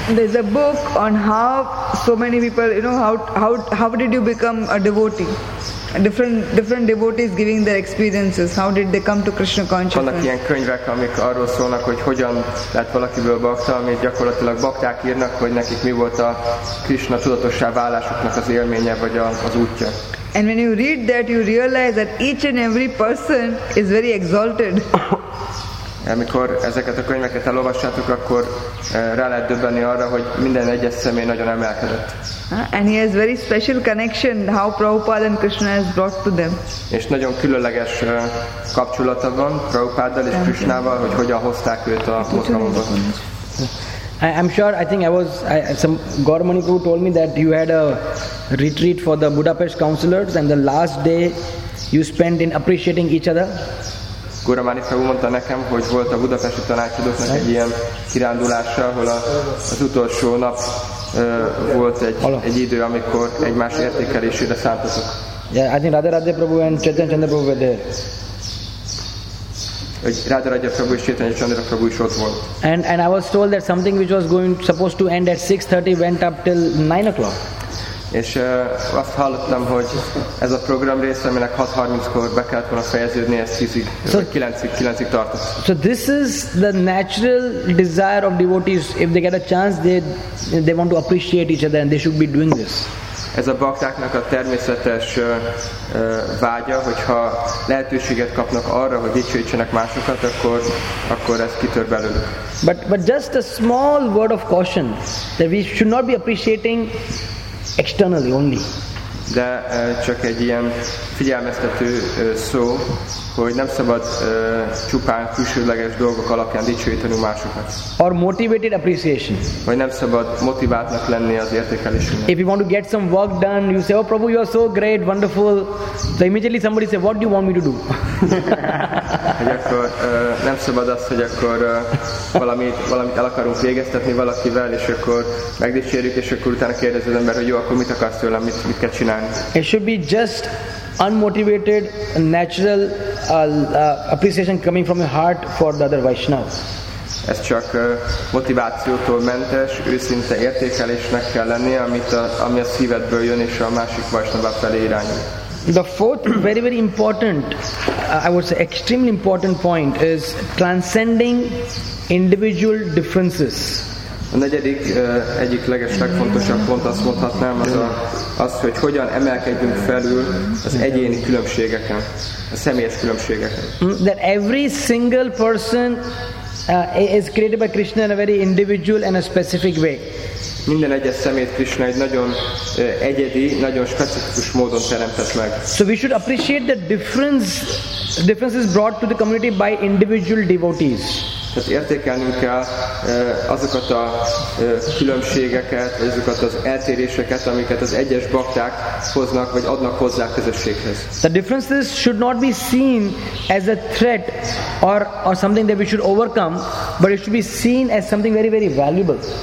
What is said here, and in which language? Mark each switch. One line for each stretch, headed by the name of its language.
English: There's a book on how so many people, you know, how did you become a devotee? Different devotees giving their experiences. How did they come to Krishna consciousness?
Hungarian: Vannak ilyen könyvek, amik arról szólnak, hogy hogyan lett valakiből bakta, amit gyakorlatilag bakták írnak, hogy nekik mi volt a Krishna tudatossá válásuknak az élménye vagy az útja.
English: And when you read that, you realize that each and every person is very exalted.
Hungarian: Amikor ezeket a könyveket elolvassátok, akkor rá lehet döbbenni arra, hogy minden egyes személy nagyon emelkedett.
English: And he has very special connection how Prabhupada and Krishna has brought to them.
Hungarian: És nagyon különleges kapcsolata van Prabhupáddal és Krishnával, hogy hogyan hozták őt a mozgalomba.
English: I'm sure, I think some Gauramani Prabhu told me that you had a retreat for the Budapest councillors and the last day you spent in appreciating each other.
Hungarian: Gura Mani Prabhu mondta nekem, hogy volt a budapesti tanácsadóknak egy ilyen kirándulása, ahol az utolsó nap volt egy idő, amikor egymás értékelésére szántatok.
English: Yeah, I think Radharaja Prabhu and Chaitanya Chandra Prabhu were there.
Hungarian: Radharaja Prabhu és Chaitanya Chandra Prabhu is ott volt.
English: And I was told that something which was supposed to end at 6:30 went up till 9 o'clock.
Hungarian: És azt hallottam, hogy ez a program része, aminek 6:30-kor be kellett volna fejeződni, ez 10-ig, so, 9-ig tartott.
English: So this is the natural desire of devotees. If they get a chance, they want to appreciate each other and they should be doing this.
Hungarian: Ez a baktáknak a természetes vágya, hogyha lehetőséget kapnak arra, hogy dicsőítsenek másokat, akkor ez kitör belőlük.
English: But just a small word of caution, that we should not be appreciating externally only.
Hungarian: De csak egy ilyen figyelmeztető szó, hogy nem szabad csupán külsőleges dolgok alapján dicsőíteni másokat.
English: Or motivated appreciation.
Hungarian: Vagy nem szabad motiváltnak lenni az értékelésünknek.
English: If you want to get some work done, you say, oh Prabhu, you are so great, wonderful. So immediately somebody say, what do you want me to do?
Hungarian: Hogy akkor nem szabad azt, hogy akkor valamit el akarunk végeztetni valakivel, és akkor megdicsérjük, és akkor utána kérdez az ember, hogy jó, akkor mit akarsz tőlem, mit kell csinálni?
English: It should be just unmotivated, natural appreciation coming from your heart for the other Vaishnavas.
Hungarian: Ez csak motivációtól mentes, őszinte értékelésnek kell lenni, ami a szívedből jön és a másik Vaishnava felé irányul.
English: The fourth very very important, I would say extremely important point is transcending individual differences.
Hungarian: A negyedik, egyik legeslegfontosabb pont, azt mondhatnám, az, hogy hogyan emelkedjünk felül az egyéni különbségeken, a személyes különbségeken.
English: That every single person is created by Krishna in a very individual and a specific way.
Hungarian: Minden egyes szemét Krishna egy nagyon egyedi, nagyon specifikus módon teremtett meg.
English: So we should appreciate the differences brought to the community by individual devotees.
Hungarian: Tehát értékelnünk kell azokat a különbségeket, azokat az eltéréseket, amiket az egyes bakták hoznak, vagy adnak hozzá a közösséghez.
English: The differences should not be seen as a threat or something that we should overcome, but it should be seen as something very, very valuable.